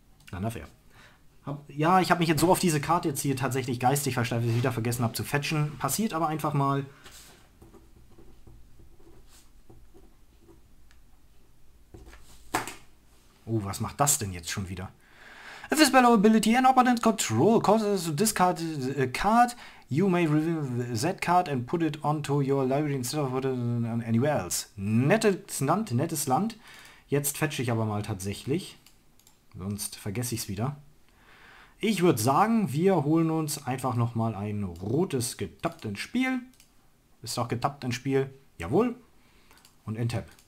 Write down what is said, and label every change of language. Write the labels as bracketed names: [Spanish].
[German] keiner wäre. Ja, ich habe mich jetzt so auf diese Karte jetzt hier tatsächlich geistig versteift, dass ich wieder vergessen habe zu fetchen. Passiert aber einfach mal. Oh, was macht das denn jetzt schon wieder? [English] If this spell ability and opponent control causes to discard a card, you may reveal that card and put it onto your library instead of putting it on anywhere else. [German] Nettes Land, nettes Land. Jetzt fetche ich aber mal tatsächlich. Sonst vergesse ich es wieder. Ich würde sagen, wir holen uns einfach nochmal ein rotes getappt ins Spiel. Ist doch getappt ins Spiel. Jawohl. Und Entap.